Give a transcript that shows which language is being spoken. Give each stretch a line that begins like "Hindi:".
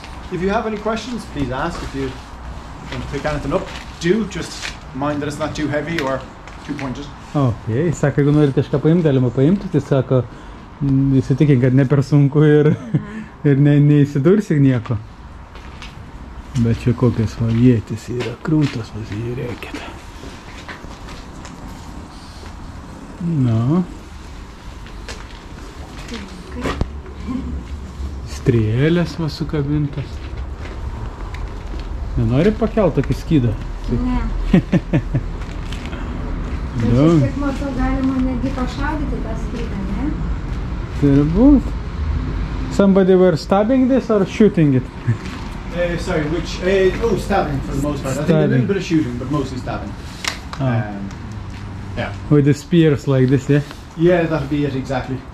English: If you have any questions, please ask. If you want to pick anything up, do. Just mind that it's not too heavy or too pointed. Okay.
Lithuanian: Sako, jeigu norite kažką paimti, galima paimti. Tai sako, įsitikink, kad ne per sunku ir... Ir neįsidursi nieko. Bet čia kokias vajėtis yra krūtos, pasižiūrėkit. Nu. Strėlės va sukabintas. Nenori pakelti tokį skydą? Ne. Bet šiek tiek matau, galima negi pašaudyti tą skydą, ne? Turbūt.
English: Somebody were stabbing this or shooting it? Stabbing for the most part. Stabbing. I think a little bit of shooting, but mostly stabbing. Yeah. With the spears like this, yeah? Yeah, that'd be it exactly.